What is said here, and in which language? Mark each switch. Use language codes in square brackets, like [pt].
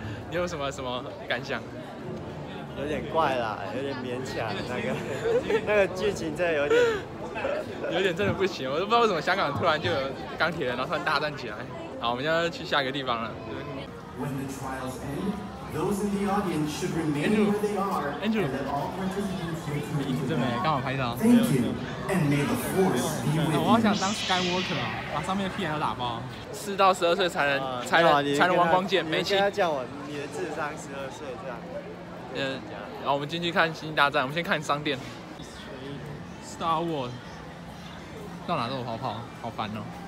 [zh] 你有什么感想？有点怪啦，有点勉强那个剧情真的有点真的不行，我都不知道为什么香港突然就有钢铁人，然后突然大战起来。好，我们要去下一个地方了。 [en] When the trials end, those in the audience should remain where they are, and let all participants make the move. Thank you, and may the force be with you. [zh] 我好想当 Skywalker 啊，把上面的屁眼都打爆。四到十二岁才能玩光剑，没钱。你跟他讲我，你的智商十二岁这样。嗯，然后我们进去看星际大战，我们先看商店。Star Wars， 到哪都有跑跑，好烦哦。